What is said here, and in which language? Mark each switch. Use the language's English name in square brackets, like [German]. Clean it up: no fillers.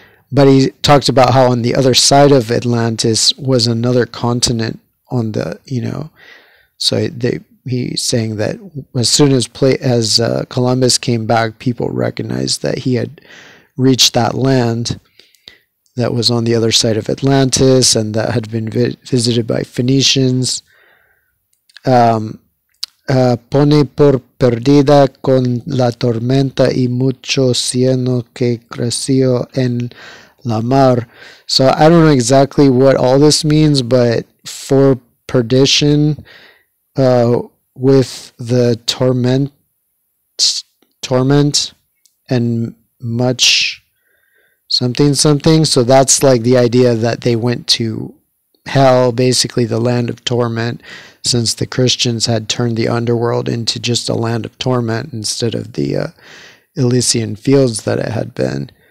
[English] But he talked about how on the other side of Atlantis was another continent on the, you know, so they, he's saying that as soon as Columbus came back, people recognized that he had reached that land that was on the other side of Atlantis and that had been visited by Phoenicians. [Spanish] Pone por perdida con la tormenta y mucho cieno que creció en la mar. [English] So I don't know exactly what all this means, but for perdition, with the torment and much something something, so that's like the idea that they went to hell, basically the land of torment, since the Christians had turned the underworld into just a land of torment instead of the Elysian fields that it had been.